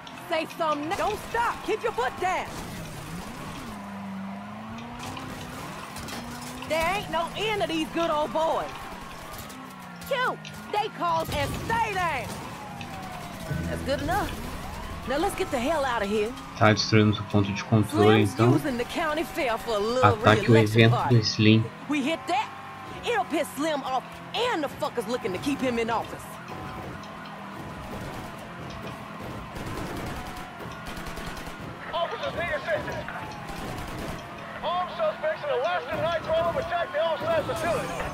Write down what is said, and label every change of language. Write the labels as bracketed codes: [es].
[en] Say something. Don't stop. Keep your foot down. There ain't no end of these good old boys. Cute. Stay calm and stay there. That's good enough. Now let's get the hell out of here. [pt] Tá destruindo o ponto de controle, então. Ataque o evento do Slim. [en] We hit that? It'll piss Slim off and the fuckers looking to keep him in office. Officers need assistance. Armed suspects in the last night crawl have attacked the off-site facility.